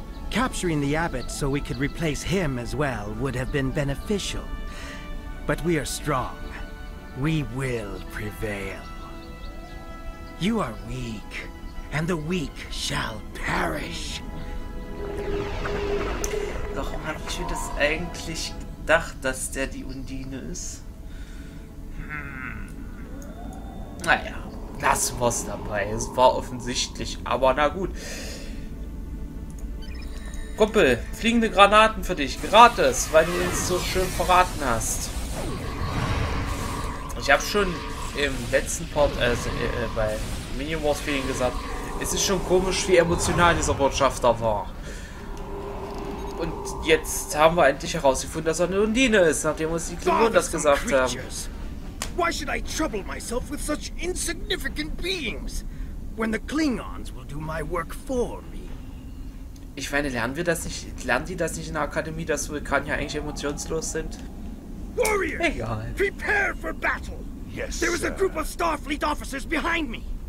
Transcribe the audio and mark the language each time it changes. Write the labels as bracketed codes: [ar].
[en] Capturing the abbot so we could replace him as well would have been beneficial. But we are strong. We will prevail. You are weak, and the weak shall perish. [de] Warum habe ich mir das eigentlich gedacht, dass der die Undine ist? Naja, das war's dabei. Es war offensichtlich, aber na gut. Kumpel, fliegende Granaten für dich, gratis, weil du uns so schön verraten hast. Ich habe schon im letzten Part, bei Minion Wars für ihn gesagt, es ist schon komisch, wie emotional dieser Botschafter war. Und jetzt haben wir endlich herausgefunden, dass er eine Undine ist, nachdem uns die Klingonen das gesagt haben. [en] Why should I trouble myself with such insignificant beings, when the Klingons will do my work for me? [de] Ich meine, lernen die das nicht in der Akademie, dass Vulkan ja eigentlich emotionslos sind? [en] Warrior, [de] egal. [en] Prepare for battle. Yes. There is a group of Starfleet officers behind me.